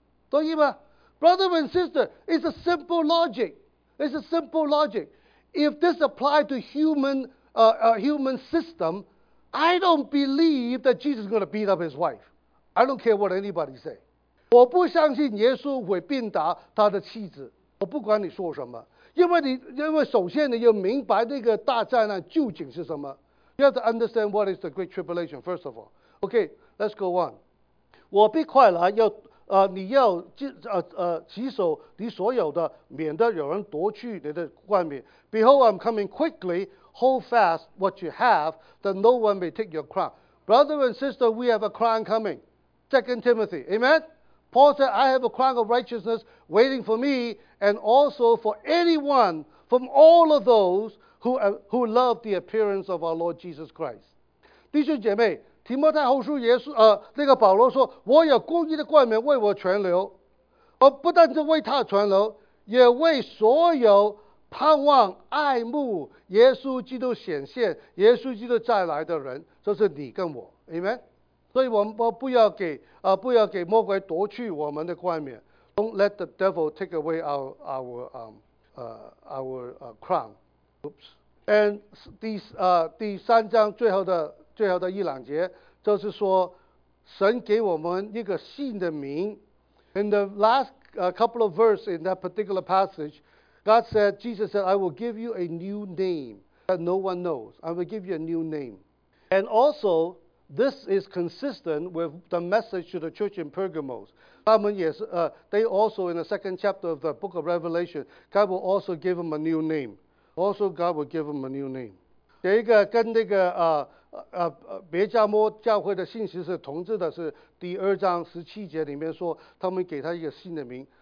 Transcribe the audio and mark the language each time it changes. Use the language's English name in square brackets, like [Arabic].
[Chinese] 同意吗 [English] ？Brother and sister, it's a simple logic. It's a simple logic. If this applies to human system, I don't believe that Jesus is going to beat up his wife. I don't care what anybody say. [Chinese] 我不相信耶稣会鞭打他的妻子。我不管你说什么，因为首先你要明白那个大灾难究竟是什么。 [English] You have to understand what is the great tribulation first of all. Okay, let's go on. [Chinese] 我必快来，你要洗手你所有的，免得有人夺去你的冠冕。 [English] Behold, I'm coming quickly. Hold fast what you have, that no one may take your crown. Brother and sister, we have a crown coming. 2 Timothy, amen? Paul said, I have a crown of righteousness waiting for me and also for anyone from all of those who love the appearance of our Lord Jesus Christ. [Chinese] 弟兄姐妹，提摩太后书耶稣那个保罗说，我有公义的冠冕为我存留，而不但是为他存留，也为所有盼望爱慕耶稣基督显现，耶稣基督再来的人，就是你跟我， amen? 所以我们不要给魔鬼夺去我们的冠冕。 [English] Don't let the devil take away our crown. Oops. [Chinese] And 第三章最后的一两节就是说，神给我们一个新的名。 [English] In the last couple of verses in that particular passage, God said, Jesus said, I will give you a new name that no one knows. I will give you a new name. And also,This is consistent with the message to the church in Pergamos. They also, in the second chapter of the book of Revelation, God will also give them a new name. Also, God will give them a new name. [Chinese] 这一个跟那个别加摩教会的信息是同质的，是第二章十七节里面说，他们给他一个新的名。